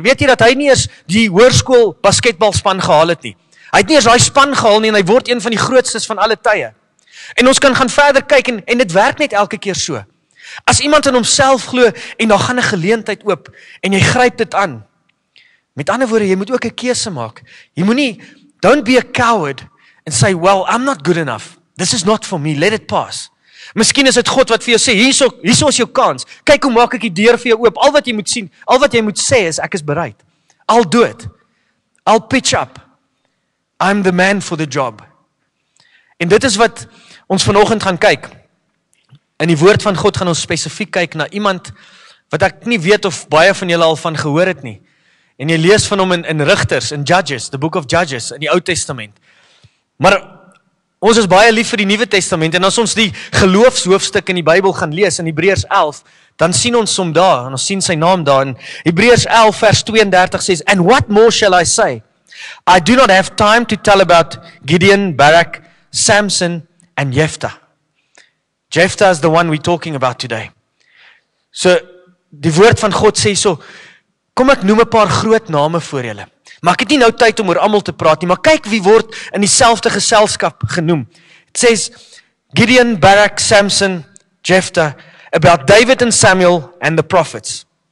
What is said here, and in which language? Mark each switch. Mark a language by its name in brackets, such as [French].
[Afrikaans] Weet jy dat hy nie eens die hoërskool basketbalspan gehaal het nie? Hy het nie eens daai span gehaal nie en hy word een van die grootstes van alle tye. En ons kan gaan verder kyk en dit werk net elke keer so. As iemand in homself glo en daar gaan 'n geleentheid oop en jy gryp dit aan. Met ander woorde, jy moet ook 'n keuse maak. Jy moenie [English] don't be a coward and say, "Well, I'm not good enough. This is not for me. Let it pass." [Afrikaans] Miskien is dit God wat vir jou sê, hierso is jou kans. Kyk hoe maak ek die deur vir jou oop. Al wat jy moet sien, al wat jy moet sê is ek is bereid. [English] Al dood. Al pitch up. I'm the man for the job. [Afrikaans] En dit is wat ons vanoggend gaan kyk. In die woord van God gaan ons spesifiek kyk na iemand wat ek nie weet of baie van julle al van gehoor het nie. En jy lees van hom in Rigters, [English] in Judges, the Book of Judges, [Afrikaans] in die Ou Testament. Maar ons is baie lief vir die Nuwe Testament, en as ons die geloofshoofstuk in die Bybel gaan lees, in Hebreërs 11, dan sien ons hom daar, en ons sien sy naam daar, in Hebreërs 11 vers 32 sê, [English] "And what more shall I say? I do not have time to tell about Gideon, Barak, Samson, and Jephthah." Jephthah is the one we're talking about today. [Afrikaans] So, die woord van God sê so, kom ek noem 'n paar groot name vir julle. Maar ek het nie nou tyd om oor almal te praat nie, maar kyk wie word in dieselfde geselskap genoem. Het sê, [English] Gideon, Barak, Samson, Jephthah, about David and Samuel and the prophets.